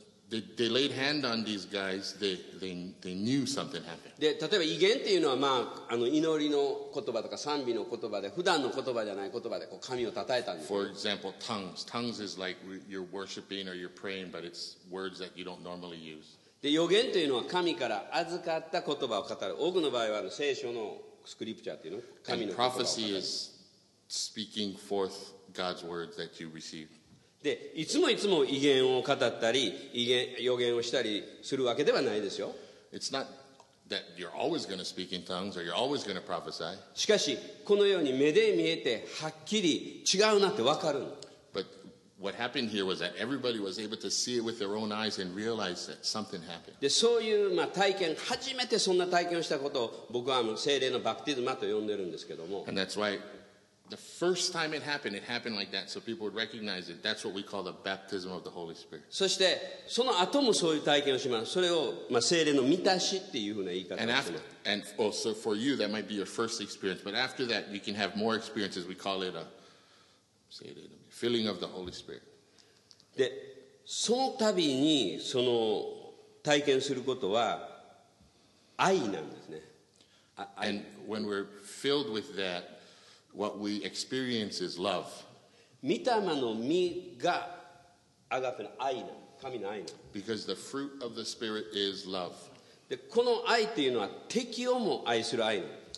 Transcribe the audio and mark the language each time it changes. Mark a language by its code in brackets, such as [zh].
[en] They laid hand on these guys. They knew something happened. [ja] で、例えば異言っていうのは、まあ、あの祈りの言葉とか賛美の言葉で、普段の言葉じゃない言葉でこう神を讃えたんです。 [en] For example, tongues. Tongues is like you're worshiping or you're praying, but it's words that you don't normally use. [ja] で、予言というのは神から預かった言葉を語る。多くの場合はあの聖書のスクリプチャーっていうの、神の言葉を語る。 [en] And prophecy is speaking forth God's words that you receive. [ja] で、いつもいつも異言を語ったり、予言をしたりするわけではないですよ。 [en] It's not that you're always going to speak in tongues or you're always going to prophesy. [ja] しかし、このように目で見えてはっきり違うなってわかる。 [en] But what happened here was that everybody was able to see it with their own eyes and realize that something happened. [ja] で、そういうまあ体験、初めてそんな体験をしたことを僕はもう聖霊のバプティズマと呼んでるんですけども。 [en] And that's why. The first time it happened like that, so people would recognize it. That's what we call the baptism of the Holy Spirit. [ja] そしてその後もそういう体験をします。それをまあ聖霊の満たしっていうふうな言い方をします。 [en] And also for you, that might be your first experience. But after that, you can have more experiences. We call it a filling of the Holy Spirit. [ja] で、その度にその体験することは愛なんですね。 [en] And when we're filled with that. What we experience is love. [ja] 御霊の実がアガペの愛なん、神の愛なん。 [en] Because the fruit of the Spirit is love. [ja] で、この愛っていうのは敵をも愛する愛なん。